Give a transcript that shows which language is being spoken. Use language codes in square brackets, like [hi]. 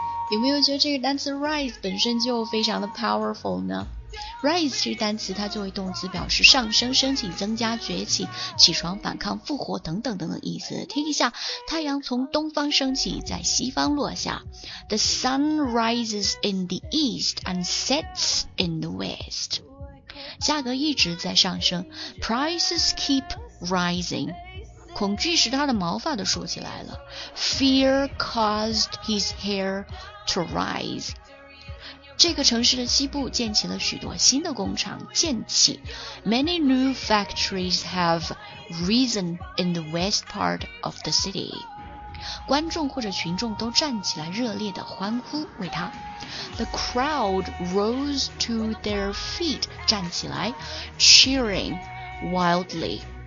[zh] 有没有觉得这个单词 rise 本身就非常的 powerful 呢？ rise 这个单词它作为动词表示上升、升起、增加、崛起、起床、反抗、复活等等等等意思。听一下，太阳从东方升起，在西方落下。 [en] The sun rises in the east and sets in the west. [zh] 价格一直在上升， [en] prices keep rising. [zh] 恐惧使他的毛发都竖起来了， [en] Fear caused his hair to rise. [zh] 这个城市的西部建起了许多新的工厂，建起。 [en] Many new factories have risen in the west part of the city. [zh] 观众或者群众都站起来热烈地欢呼为他。 [en] The crowd rose to their feet, [zh] 站起来， [en] cheering wildly.